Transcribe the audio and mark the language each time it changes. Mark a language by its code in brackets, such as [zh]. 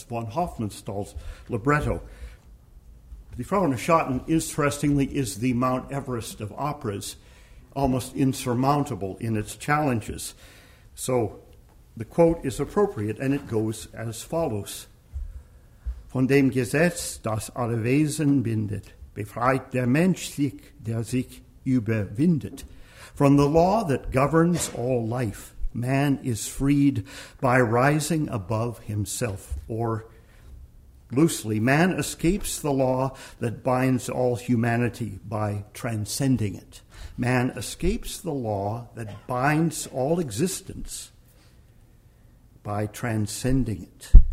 [en] That's von Hofmannsthal's libretto. Die Frau ohne Schatten, interestingly, is the Mount Everest of operas, almost insurmountable in its challenges. So the quote is appropriate, and it goes as follows. [de] Von dem Gesetz, das alle Wesen bindet, befreit der Mensch sich, der sich überwindet. [en] From the law that governs all life, man is freed by rising above himself. Or, loosely, man escapes the law that binds all humanity by transcending it. Man escapes the law that binds all existence by transcending it.